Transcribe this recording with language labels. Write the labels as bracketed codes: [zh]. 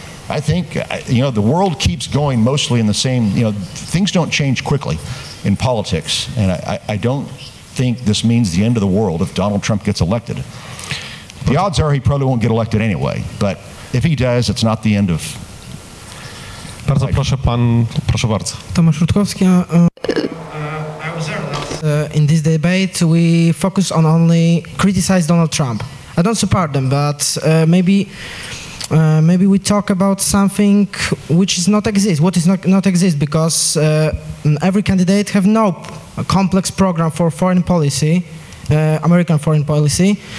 [en] I think, you know, the world keeps going mostly in the same, you know, things don't change quickly in politics. And I don't think this means the end of the world if Donald Trump gets elected. The odds are he probably won't get elected anyway. But if he does, it's not the end of... [pl] Bardzo proszę, pan, proszę bardzo. Tomasz Rutkowski. [en] In this debate, we focus on only criticize Donald Trump. I don't support them, but maybe we talk about something which is not exist. What is not exist? Because every candidate have no complex program for foreign policy, American foreign policy.